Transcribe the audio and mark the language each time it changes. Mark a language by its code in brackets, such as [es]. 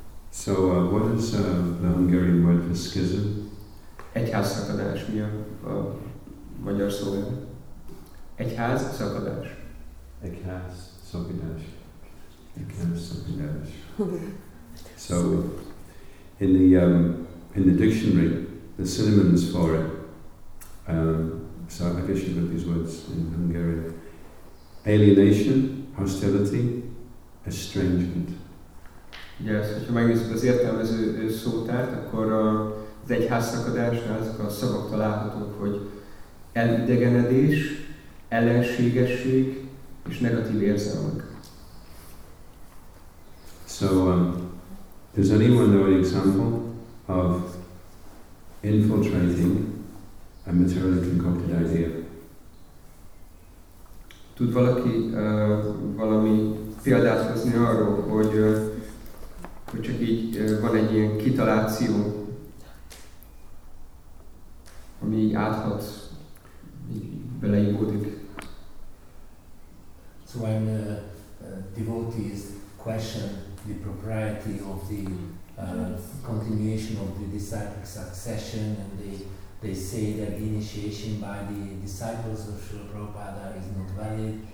[en] So, what is the Hungarian word for schism? [hu] Egyházszakadás, mi a magyar szó? Egyházszakadás. Egyházszakadás. Egyházszakadás. [en] So, in the dictionary, the synonyms for it. So I guess you've got these words in Hungarian. Alienation, hostility, estrangement. [hu] Yes, hogyha megnézzük az értelmező szótárt, akkor az egyházszakadásnál azok a szavak találhatók, hogy elidegenedés, ellenségesség és negatív érzelmek. [en] So, does anyone know an example of infiltrating a materially concocted idea? [hu] Tud valaki valami példát hozni arról, hogy hogy csak így van egy ilyen kitaláció, ami így áthat, így beleívódik? [en] So when devotees question the propriety of the continuation of the disciple succession, and they say that the initiation by the disciples of Srila Prabhupada is not valid.